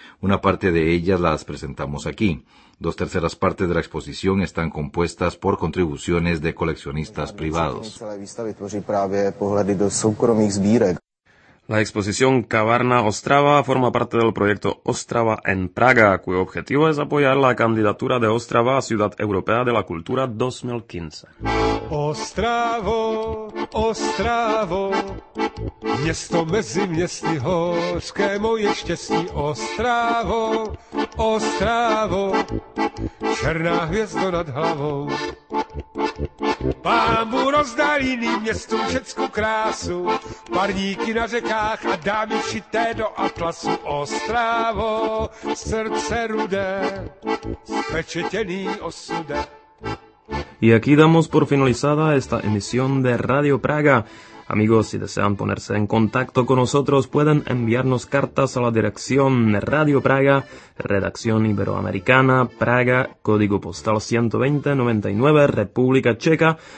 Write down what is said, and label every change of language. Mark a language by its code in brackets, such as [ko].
[es] Una parte de ellas las presentamos aquí. Dos terceras partes de la exposición están compuestas por contribuciones de coleccionistas privados. La exposición Kavarna Ostrava forma parte del proyecto Ostrava en Praga, cuyo objetivo es apoyar la candidatura de Ostrava a Ciudad Europea de la Cultura 2015. [cs] Ostravo, Ostravo, město mezi městy hořké, moje štěstí. Ostravo, Ostravo, černá hvězda nad hlavou. Pámbu rozdal jiným městům všecku krásu, parníky na řekách a dámy šité do atlasu. Ostravo, srdce rudé, spečetěný osude. [es] Y aquí damos por finalizada esta emisión de Radio Praga. Amigos, si desean ponerse en contacto con nosotros, pueden enviarnos cartas a la dirección Radio Praga, Redacción Iberoamericana, Praga, Código Postal 12099, República Checa,